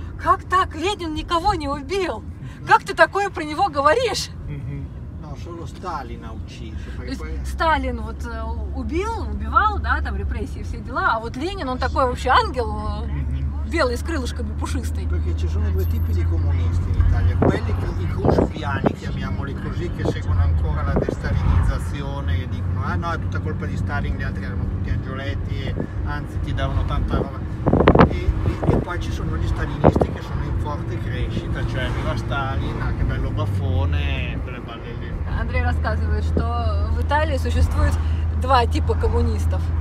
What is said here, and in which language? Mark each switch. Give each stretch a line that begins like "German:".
Russian: Как так? Ленин никого не убил. Как ты такое про него говоришь? Ну, что Сталина учишь. Сталин вот убивал, да, там репрессии, все дела, а вот Ленин, он такой вообще ангел, белый, с крылышками, пушистый. Потому что есть два типа коммунистов в Италии.
Italian: Quelli che i cruspiani, chiamiamoli così, che seguono ancora la destalinizzazione e dicono, ah no, è tutta colpa di Stalin, gli altri erano tutti angioletti e anzi ti davano tanta roba. E poi ci sono gli stalinisti che sono in forte crescita, cioè viva Stalin, che bello baffone, quelle balle lì.
Russian: Андрей рассказывает, что в Италии существует два типа коммунистов.